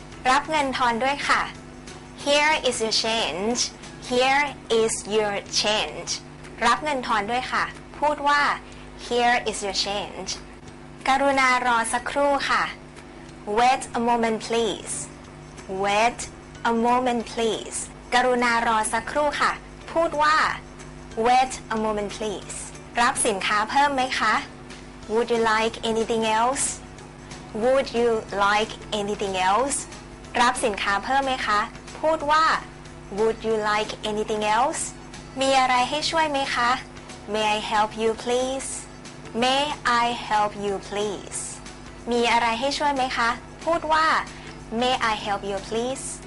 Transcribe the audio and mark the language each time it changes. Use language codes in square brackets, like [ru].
[th] รับเงินทอนด้วยค่ะ [en] Here is your change Here is your change [th] รับเงินทอนด้วยค่ะพูดว่า Here is your change กรุณารอสักครู่ค่ะ [en] Wait a moment please Wait a moment please [th] กรุณารอสักครู่ค่ะพูดว่า [en] Wait a moment please [th] รับสินค้าเพิ่มไหมคะ [en] Would you like anything else? Would you like anything else? [th] รับสินค้าเพิ่มไหมคะพูดว่า [en] Would you like anything else? [th] มีอะไรให้ช่วยไหมคะ [en] May I help you please? May I help you please? [th] มีอะไรให้ช่วยไหมคะพูดว่า [en] May I help you please?